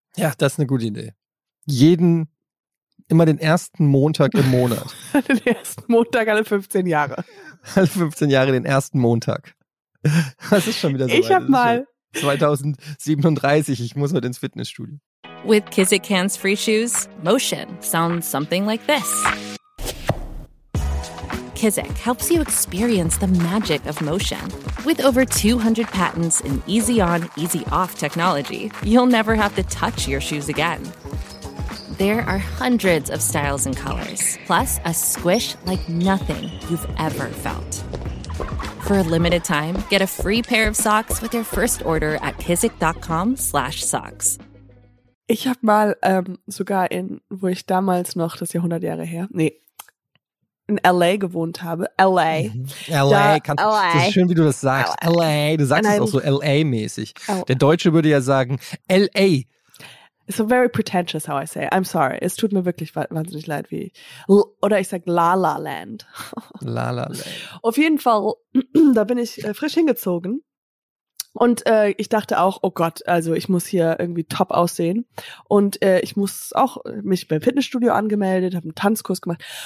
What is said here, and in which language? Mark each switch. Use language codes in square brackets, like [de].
[de] Ja, das ist eine gute Idee. Immer den ersten Montag im Monat. Den ersten Montag alle 15 Jahre. Alle 15 Jahre den ersten Montag. Das ist schon wieder so. Ich habe mal 2037, ich muss heute ins Fitnessstudio. [en] With Kizik hands-free shoes, motion sounds something like this. McKissick helps you experience the magic of motion. With over 200 patents and easy on, easy off technology, you'll never have to touch your shoes again. There are hundreds of styles and colors, plus a squish like nothing you've ever felt. For a limited time, get a free pair of socks with your first order at kizik.com/socks. [de] Ich habe mal sogar in, wo ich damals noch, das ist ja 100 Jahre her, nee, in L.A. gewohnt habe. L.A. Mhm. L.A. L.A. Das ist schön, wie du das sagst. L.A. Du sagst es auch so L.A.-mäßig. Oh. Der Deutsche würde ja sagen L.A. [en] It's so very pretentious how I say it. I'm sorry. [de] Es tut mir wirklich wahnsinnig leid, wie... Oder ich sag La La Land. La La Land. Auf jeden Fall, da bin ich frisch hingezogen. Und ich dachte auch, oh Gott, also ich muss hier irgendwie top aussehen. Und ich muss auch mich beim Fitnessstudio angemeldet, habe einen Tanzkurs gemacht.